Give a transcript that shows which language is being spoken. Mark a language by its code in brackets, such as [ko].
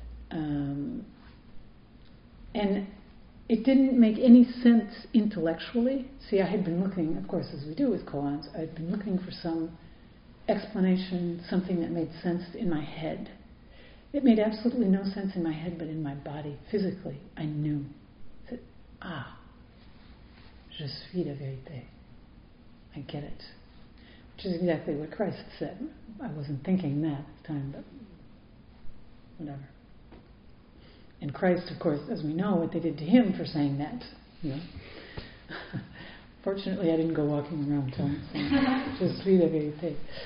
[en] And it didn't make any sense intellectually. See, I had been looking, of course, as we do with koans, I'd been looking for some explanation, something that made sense in my head. It made absolutely no sense in my head, but in my body, physically, I knew. I said, ah, [fr] je suis la vérité. [en] I get it. Which is exactly what Christ said. I wasn't thinking that at the time, but whatever. And Christ, of course, as we know, what they did to him for saying that. You know? Fortunately, I didn't go walking around telling someone, just be the way you think.